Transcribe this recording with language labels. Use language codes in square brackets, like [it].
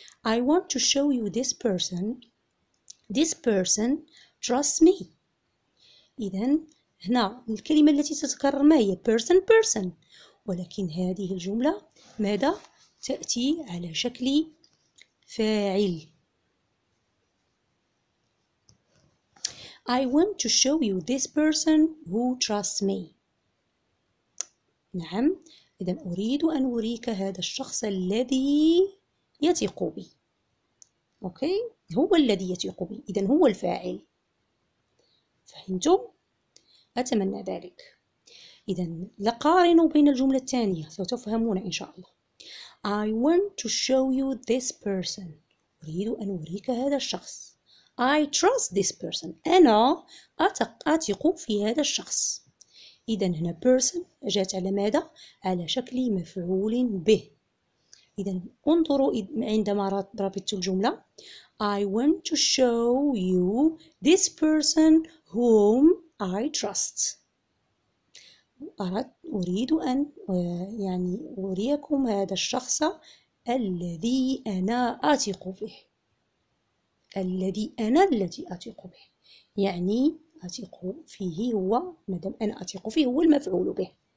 [en] I want to show you this person. This person, trust me. [ar] إذن هنا الكلمة التي تتكرر ما هي؟ person, person. ولكن هذه الجملة ماذا؟ تأتي على شكل فاعل. [en] I want to show you this person who trusts me. [ar] نعم، إذن أريد أن أريك هذا الشخص الذي يثق بي. أوكي؟ هو الذي يثق بي، إذن هو الفاعل. فهمتم؟ أتمنى ذلك. إذن لقارن بين الجملة الثانية ستفهمون إن شاء الله. [en] I want to show you this person. [ar] أريد أن أريك هذا الشخص. [en] I trust this person. [ar] أنا أثق في هذا الشخص. إذن هنا person جاءت على ماذا؟ على شكل مفعول به. إذن انظروا عندما ربطت الجملة. [en] I want to show you this person whom I trust. [ar] أريد أن يعني أريكم هذا الشخص الذي أنا أثق به. الذي أنا الذي أثق به، يعني أثق فيه هو، مادام أنا أثق فيه هو المفعول به.